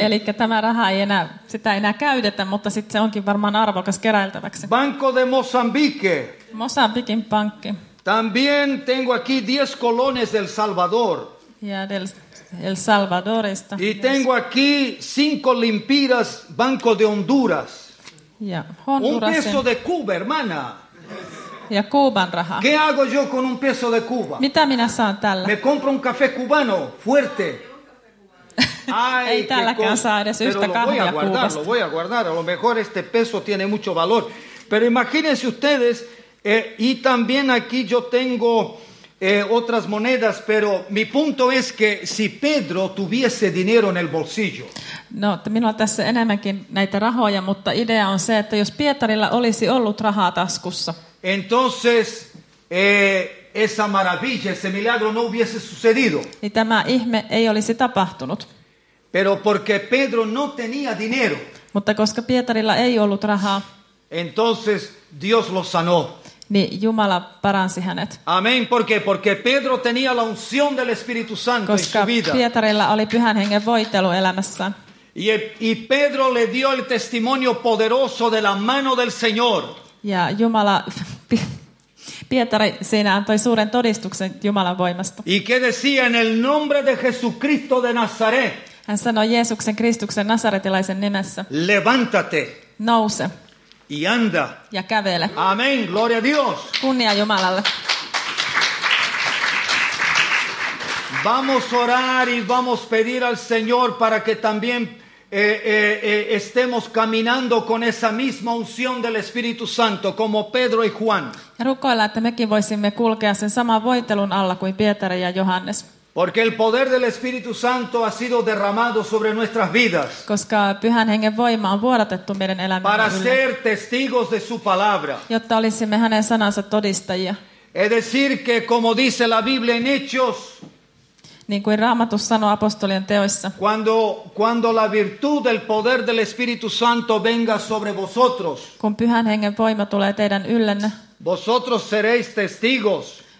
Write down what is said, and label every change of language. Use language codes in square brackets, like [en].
[fi] Eli tämä raha ei enää, sitä ei enää käytetä, mutta sitten se onkin varmaan arvokas keräiltäväksi. [es] Banco de Mozambique. [fi] Mozambiquen pankki. [es] También tengo aquí 10 colones del Salvador. [fi] Ja del Salvadorista. [es] Y tengo aquí 5 lempiras Banco de Honduras. [fi] Ja, [es] un peso de Cuba, hermana. [fi] Ja Kuuban raha. [es] ¿Qué hago yo con un peso de Cuba? [fi] Mitä minä saan tällä? [es] Me compro un café cubano, fuerte. [fi] Ay, ei tälläkään saa edes yhtä kahvia Kuubasta. [es] Pero lo voy a guardar. A lo mejor este peso tiene mucho valor. Pero imagínense ustedes, y también aquí yo tengo otras monedas, pero mi punto es que si Pedro tuviese dinero en el bolsillo. [fi] No, minulla tässä enemmänkin näitä rahoja, mutta idea on se, että jos Pietarilla olisi ollut rahaa taskussa. [es] Entonces, esa maravilla, ese milagro no hubiese sucedido. [fi] Niin tämä ihme ei olisi tapahtunut. [es] Pero porque Pedro no tenía dinero. [fi] Mutta koska Pietarilla ei ollut rahaa. [es] Entonces, Dios lo sanó. [fi] Niin Jumala paransi hänet. [es] Amén, porque Pedro tenía la unción del Espíritu Santo en su vida. [fi] Koska Pietarilla oli Pyhän Hengen voitelu elämässään. [es] Y Pedro le dio el testimonio poderoso de la mano del Señor. [fi] Ja Jumala Pietari siinä antoi suuren todistuksen Jumalan voimasta. [es] Y que decía en el nombre de Jesucristo de Nazaret. [fi] Hän sanoi Jeesuksen Kristuksen nasaretilaisen nimessä. [es] Levántate. [fi] Nouse. [es] Y anda. [fi] Ja kävele. [es] Amén. Gloria a Dios. [fi] Kunnia Jumalalle. [es] Vamos a orar y vamos a pedir al Señor para que también estemos caminando con esa misma unción del Espíritu Santo como Pedro y Juan. [fi] Ja rukoilla, että mekin voisimme kulkea sen saman voitelun alla kuin Pietari ja Johannes. [es] Porque el poder del Espíritu Santo ha sido derramado sobre nuestras vidas. [fi] Koska Pyhän Hengen voima on vuodatettu meidän elämään. [es] Para ser testigos de su palabra. [fi] Jotta olisimme hänen sanansa todistajia. [es] Es decir que como dice la Biblia en Hechos. [fi] Niin kuin Raamatus sanoo apostolien teoissa. [es] Cuando la virtud del poder del Espíritu Santo venga sobre vosotros. [fi] Kun Pyhän Hengen voima tulee teidän yllenne. [es] Vosotros seréis testigos.